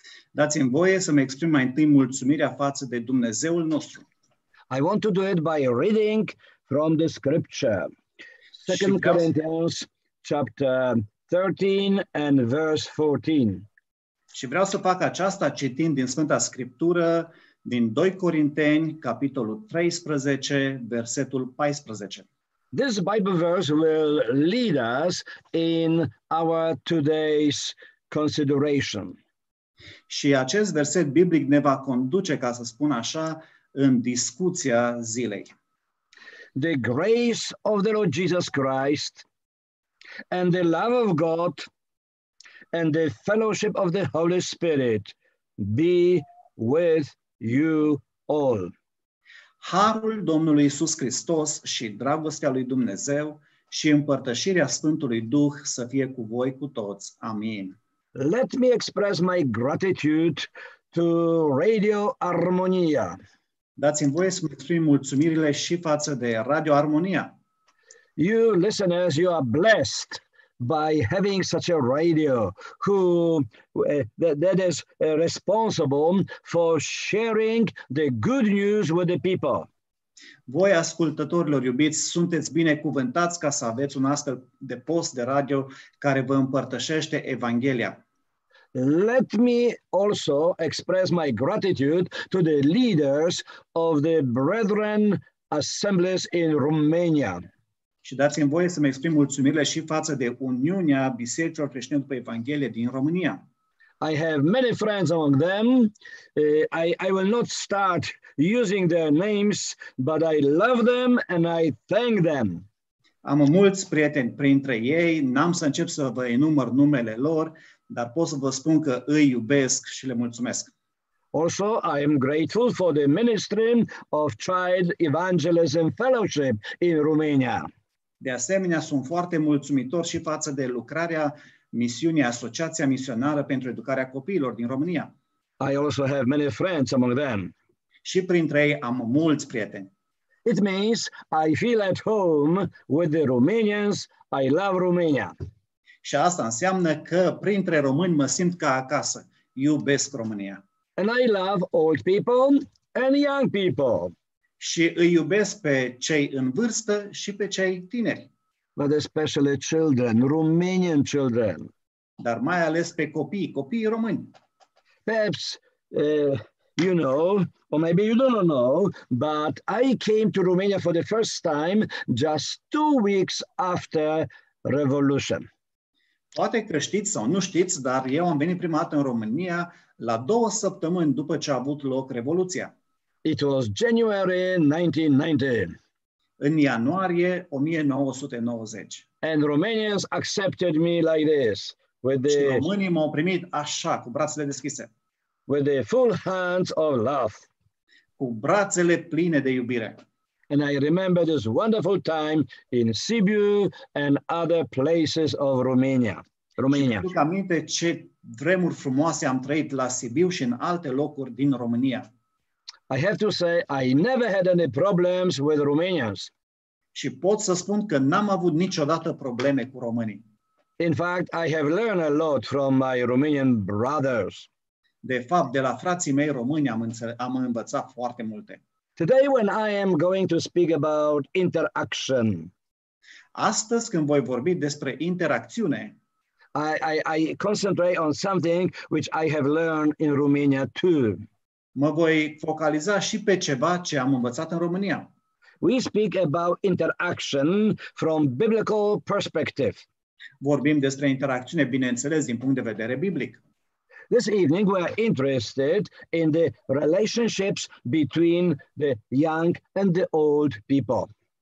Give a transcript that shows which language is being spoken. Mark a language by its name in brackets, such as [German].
[Romanian] Dați-mi voie să mă exprim mai întâi mulțumirea față de Dumnezeul nostru. [English] I want to do it by reading from the scripture. 2 Corinthians chapter 13 and verse 14. [Romanian] Și vreau să fac aceasta citind din Sfânta Scriptură din 2 Corinteni capitolul 13 versetul 14. [English] This Bible verse will lead us in our today's consideration. [Romanian] Și acest verset biblic ne va conduce, ca să spun așa, în discuția zilei. [English] The grace of the Lord Jesus Christ and the love of God and the fellowship of the Holy Spirit be with you all. [Romanian] Harul Domnului Iisus Hristos și dragostea lui Dumnezeu și împărtășirea Sfântului Duh să fie cu voi cu toți. Amin. [English] Let me express my gratitude to Radio Armonia. [Romanian] Dați-mi voie să-mi exprim mulțumirile și față de Radio Armonia. [English] You listeners, you are blessed by having such a radio who that is responsible for sharing the good news with the people. [Romanian] Voi, ascultătorilor iubiți, sunteți binecuvântați ca să aveți un astfel de post de radio care vă împărtășește Evanghelia. [English] Let me also express my gratitude to the leaders of the Brethren Assemblies in Romania. [Romanian] Și dați-mi voie să-mi exprim mulțumirile și față de Uniunea Bisericilor Creștine după Evanghelie din România. [English] I have many friends among them. I will not start using their names, but I love them and I thank them. [Romanian] Am mulți prieteni printre ei, n-am să încep să vă enumăr numele lor, dar pot să vă spun că îi iubesc și le mulțumesc. [English] Also, I am grateful for the ministry of Child Evangelism Fellowship in Romania. [Romanian] De asemenea, sunt foarte mulțumitor și față de lucrarea misiunii Asociația Misionară pentru Educarea Copiilor din România. [English] I also have many friends among them. [Romanian] Și printre ei am mulți prieteni. [English] It means I feel at home with the Romanians. I love Romania. [Romanian] Și asta înseamnă că printre români mă simt ca acasă. Iubesc România. [English] And I love old people and young people. [Romanian] Și îi iubesc pe cei în vârstă și pe cei tineri. [English] But especially children, Romanian children. [Romanian] Dar mai ales pe copiii români. [English] Perhaps you know, or maybe you don't know, but I came to Romania for the first time just 2 weeks after Revolution. [Romanian] Poate că știți sau nu știți, dar eu am venit prima dată în România la 2 săptămâni după ce a avut loc Revoluția. [English] It was January 1990. [Romanian] În ianuarie 1990. [English] And Romanians accepted me like this. [Romanian] Românii m-au primit așa, cu brațele deschise. [English] With the full hands of love. [Romanian] Cu brațele pline de iubire. [English] And I remember this wonderful time in Sibiu and other places of Romania. Romania. [Romanian] Și mi-aduc aminte ce vremuri frumoase am trăit la Sibiu și în alte locuri din România. [English] I have to say I never had any problems with Romanians. [Romanian] Și pot să spun că n-am avut niciodată probleme cu românii. [English] In fact, I have learned a lot from my Romanian brothers. [Romanian] De fapt, de la frații mei români am învățat foarte multe. [English] Today when I am going to speak about interaction. [Romanian] Astăzi când voi vorbi despre interacțiune, [English] I concentrate on something which I have learned in Romania too. [Romanian] Mă voi focaliza și pe ceva ce am învățat în România. [English] We speak about interaction from biblical perspective. [Romanian] Vorbim despre interacțiune, bineînțeles, din punct de vedere biblic. [English] This evening we are interested in the relationships between the young and the old people.